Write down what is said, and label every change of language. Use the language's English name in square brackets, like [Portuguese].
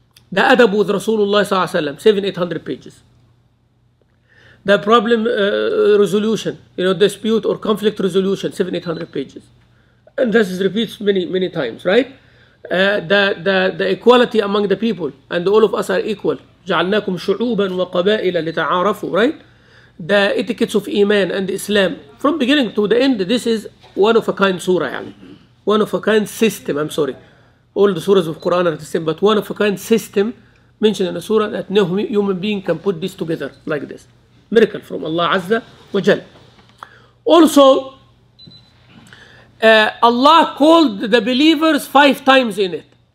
[English] The adab with Rasulullah sallallahu alaihi wasallam, 700-800 pages. The problem resolution, you know, dispute or conflict resolution, 700-800 pages. And this is repeats many times, right? The equality among the people, and all of us are equal. [Arabic] جعلناكم شعوبا وقبائل لتعارفوا, right? [English] The etiquettes of Iman and Islam. From beginning to the end, this is one of a kind surah, يعني. One of a kind system, I'm sorry. All the surahs of Quran are the same, but one of a kind system mentioned in a surah that no human being can put this together like this. Miracle from Allah Azza wa Jal. Also, Allah called the believers 5 times in it.